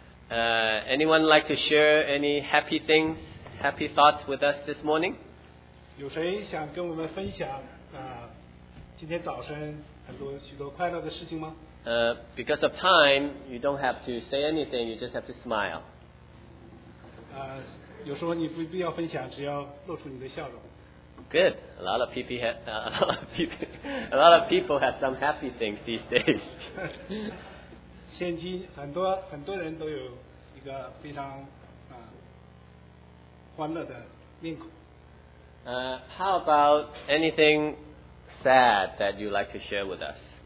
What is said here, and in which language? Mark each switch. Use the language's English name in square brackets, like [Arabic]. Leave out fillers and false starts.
[English] Anyone like to share any happy things, happy thoughts with us this morning? [Chinese] 有谁想跟我们分享今天早晨很多许多快乐的事情吗？ [English] Because of time, you don't have to say anything. You just have to smile. [Chinese] 有时候你不必要分享，只要露出你的笑容。 [English] Good. A lot of people have some happy things these days. [Chinese] 现今很多很多人都有一个非常欢乐的面孔。 [English] How about anything sad that you like to share with us?